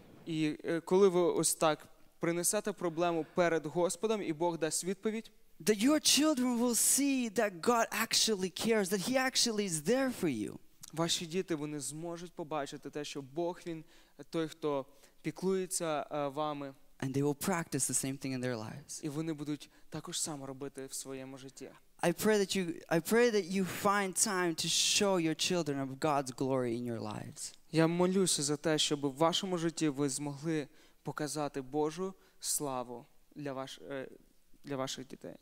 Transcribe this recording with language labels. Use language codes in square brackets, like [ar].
[uk] і коли ви ось так принесете проблему перед Господом, і Бог дасть відповідь, [en] that your children will see that God actually cares, that he actually is there for you. [uk] Ваші діти, вони зможуть побачити те, що Бог, він той, хто піклується вами. [en] And they will practice the same thing in their lives. [uk] І вони будуть також само робити в своєму житті. [en] I pray that you find time to show your children of God's glory in your lives. [uk] Я молюся за те, щоб у вашому житті ви змогли показати Божу славу для ваших дітей.